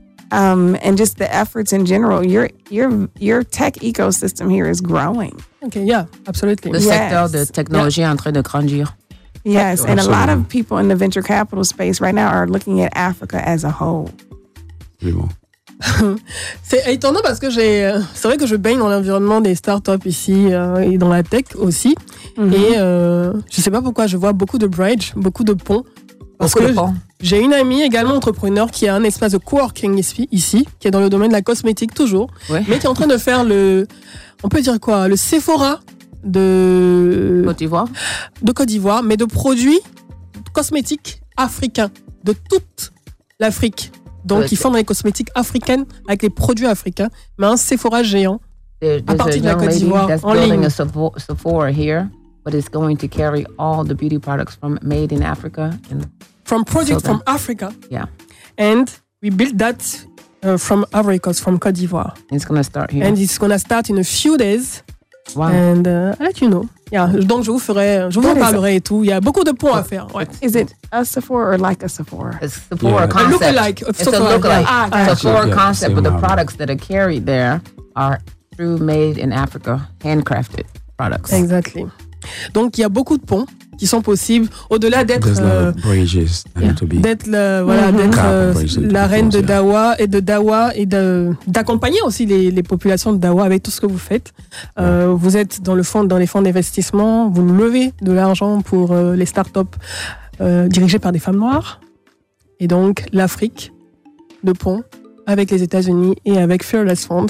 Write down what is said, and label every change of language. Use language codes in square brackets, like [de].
[en] And just the efforts in general, your tech ecosystem here is growing. Okay, yeah, absolutely. The sector [fr] de technologie est en train de grandir. [en] Yes, and a lot of people in the venture capital space right now are looking at Africa as a whole. [fr] C'est étonnant parce que c'est vrai que je baigne dans l'environnement des startups ici et dans la tech aussi. Mm-hmm. Et je sais pas pourquoi je vois beaucoup de bridges, beaucoup de ponts. J'ai une amie également entrepreneur qui a un espace de coworking ici, qui est dans le domaine de la cosmétique toujours, mais qui est en train de faire le Sephora de Côte d'Ivoire. De Côte d'Ivoire, mais de produits cosmétiques africains de toute l'Afrique. Donc, ils font dans les cosmétiques africaines avec les produits africains, mais un Sephora géant à partir de la Côte d'Ivoire en ligne. [en] Sephora here, but it's going to carry all the beauty products from made in Africa and from products from Africa. Yeah, and we built that from Ivory Coast, from Côte d'Ivoire. It's gonna start here. And it's gonna start in a few days. Wow. And I'll let you know. Yeah. [fr] Donc je vous en parlerai et tout. Il y a beaucoup de ponts à faire. [en] Is it a Sephora or like a Sephora? It's Sephora concept. A look-alike. Sephora concept, but the products that are carried there are true made in Africa, handcrafted products. Exactly. [fr] Donc il y a beaucoup de ponts qui sont possibles au-delà d'être la reine de Dawa et d'accompagner aussi les populations de Dawa avec tout ce que vous faites. Vous êtes dans les fonds d'investissement, vous levez de l'argent pour les startups dirigées par des femmes noires et donc l'Afrique de pont avec les États-Unis et avec Fearless Fund.